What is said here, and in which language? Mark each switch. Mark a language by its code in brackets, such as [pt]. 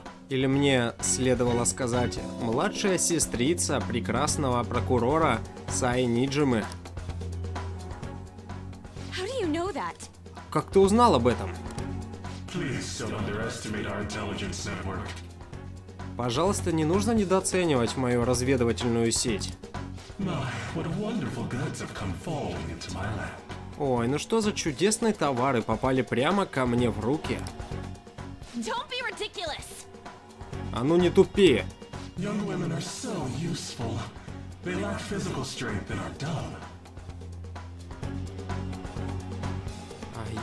[ru] Или мне следовало сказать, младшая сестрица прекрасного прокурора Сай Нижимы. [en] How do you know that? [ru] Как ты узнал об этом? [en] Please don't underestimate our intelligence network. [ru] Пожалуйста, не нужно недооценивать мою разведывательную сеть. [en] My, what wonderful goods have come falling into my lap. [ru] Ой, ну что за чудесные товары попали прямо ко мне в руки? [en] Don't be ridiculous. [ru] А ну не тупи. [en] Young women are so useful. They lack physical strength and are dumb.